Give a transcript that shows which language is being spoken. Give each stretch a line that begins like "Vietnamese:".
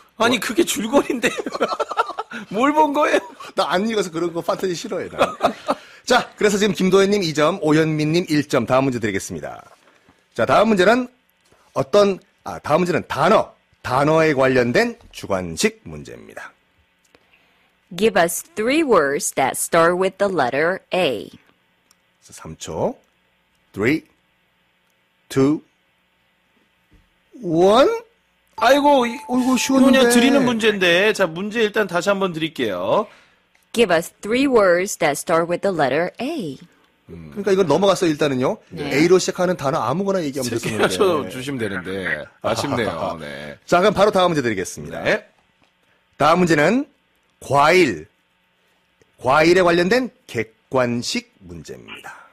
Korean: 아니, 그게 줄거리인데. 뭘 본 거예요? 나 안 읽어서 그런 거 판타지 싫어해. 나. 자, 그래서 지금 김도현님 2점, 오현민님 1점. 다음 문제 드리겠습니다. 자, 다음 문제는 다음 문제는 단어. 단어에 관련된 주관식 문제입니다.
English: Give us three words that start with the letter A.
Korean: 3초. 3, 2, 1. 아이고, 아이고, 쉬운데. 그냥 드리는 문제인데. 자, 문제 일단 다시 한번 드릴게요.
English: Give us three words that start with the letter A.
Korean: 그러니까 이건 넘어갔어요, 일단은요. 네. A로 시작하는 단어 아무거나 얘기하면 됐습니다. 쓰게 하셔주시면 되는데. 아쉽네요. 네. 자, 그럼 바로 다음 문제 드리겠습니다. 네. 다음 문제는 과일. 과일에 관련된 객관식 문제입니다.